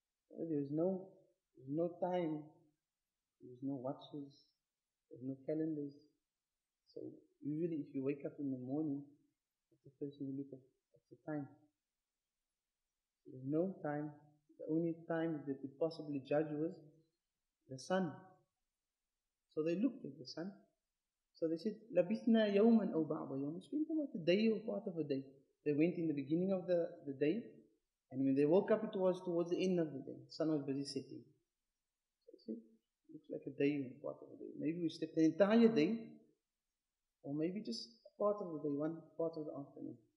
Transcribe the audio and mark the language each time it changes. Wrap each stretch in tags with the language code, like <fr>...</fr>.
<en>Well, there was no time, there was no watches, there was no calendars. So usually if you wake up in the morning, that's the first thing you look at the time. There's no time. The only time that you could possibly judge was the sun. So they looked at the sun. So they said,</en> <ar>لَبِثْنَا يَوْمًا أَوْ بَعْضَ يَوْمًا.</ar> <en>Spent about a day or part of a day. They went in the beginning of the day. And when they woke up, it was towards the end of the day. The sun was busy setting. So they said, looks like a day or part of a day. Maybe we slept the entire day. Or maybe just part of the day, one part of the afternoon.</en>